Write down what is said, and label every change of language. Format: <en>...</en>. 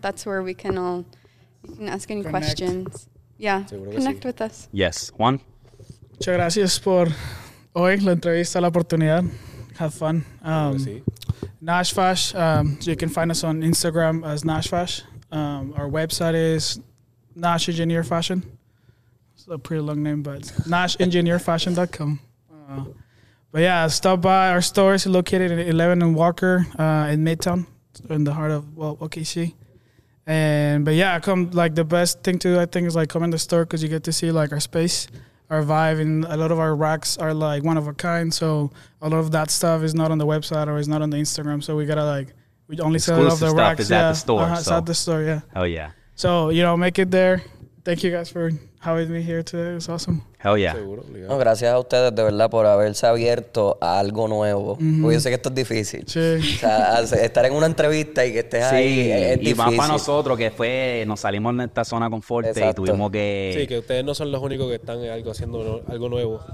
<en>That's where we can all, you can ask any questions. Yeah.</en> <es>Seguro</es> <en>connect with us. Yes. Juan.</en> <es>Muchas gracias por hoy, la entrevista, la oportunidad.</es> <en>Have fun. Nashfash, you can find us on Instagram as Nashfash. Our website is Nash Engineer Fashion. It's a pretty long name, but NashEngineerFashion.com. But yeah, stop by. Our store is located in 11 and Walker in Midtown, in the heart of, well, OKC. But the best thing to do, I think, is like come in the store, because you get to see like our space, our vibe, and a lot of our racks are like one of a kind. So a lot of that stuff is not on the website or is not on the Instagram. So we got to like, we only exclusive sell it off the stuff racks. Is at the store. It's at the store, yeah. Oh, yeah. So, you know, make it there. Thank you guys for having me here today. It was awesome. Hell yeah.</en> <es>No, gracias a ustedes de verdad por haberse abierto a algo nuevo. Mm-hmm. Porque yo sé que esto es difícil. Sí. O sea, estar en una entrevista y que estés ahí es difícil. Y más para nosotros, que fue, nos salimos de esta zona confort y tuvimos que... Sí, que ustedes no son los únicos que están haciendo algo nuevo.</es>